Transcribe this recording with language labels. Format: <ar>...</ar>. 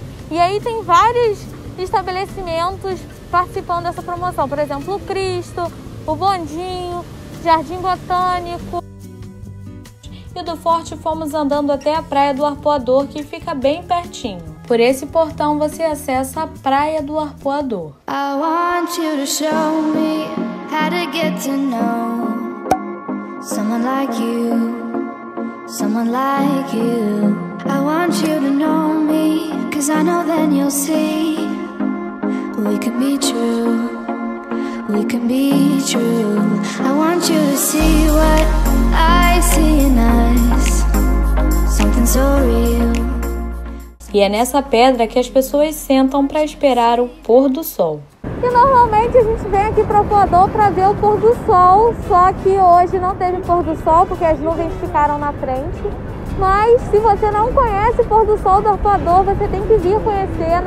<pt>E aí tem vários estabelecimentos participando dessa promoção. Por exemplo, o Cristo, o Bondinho, Jardim Botânico. E do Forte fomos andando até a Praia do Arpoador, que fica bem pertinho. Por esse portão você acessa a Praia do Arpoador.</pt> <en>I want you to show me how to get to know someone like you, someone like you. I want you to know me, cause I know then you'll see we can be true, we can be true. I want you to see what I see in us, something so real.</en> <pt>E é nessa pedra que as pessoas sentam para esperar o pôr do sol. E normalmente a gente vem aqui para o Arpoador para ver o pôr do sol, só que hoje não teve pôr do sol porque as nuvens ficaram na frente. Mas se você não conhece o pôr do sol do Arpoador, você tem que vir conhecer.</pt>